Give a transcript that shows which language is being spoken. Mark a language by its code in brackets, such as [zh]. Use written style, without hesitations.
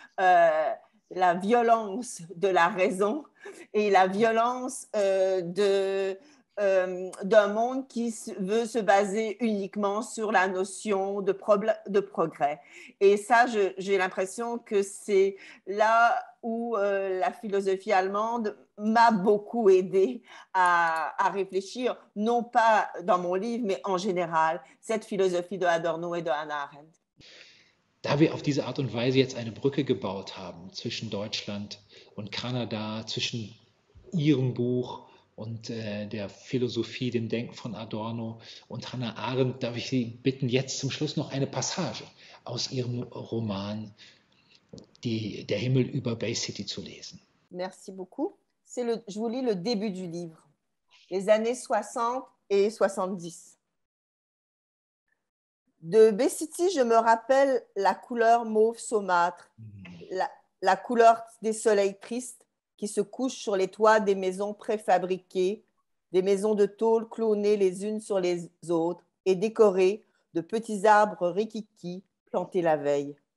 [fr] La violence de la raison et la violence d'un monde qui veut se baser uniquement sur la notion de progrès. Et ça, j'ai l'impression que c'est là où la philosophie allemande m'a beaucoup aidée à réfléchir, non pas dans mon livre, mais en général, cette philosophie de Adorno et de Hannah Arendt. [de] Da wir auf diese Art und Weise jetzt eine Brücke gebaut haben zwischen Deutschland und Kanada, zwischen Ihrem Buch und der Philosophie, dem Denken von Adorno und Hannah Arendt, darf ich Sie bitten, jetzt zum Schluss noch eine Passage aus Ihrem Roman Der Himmel über Bay City zu lesen. [fr] Merci beaucoup. Je vous lis le début du livre. Les années 60 et 70. De Bay City, je me rappelle la couleur mauve saumâtre, la couleur des soleils tristes qui se couchent sur les toits des maisons préfabriquées, des maisons de tôle clonées les unes sur les autres et décorées de petits arbres rikiki plantés la veille.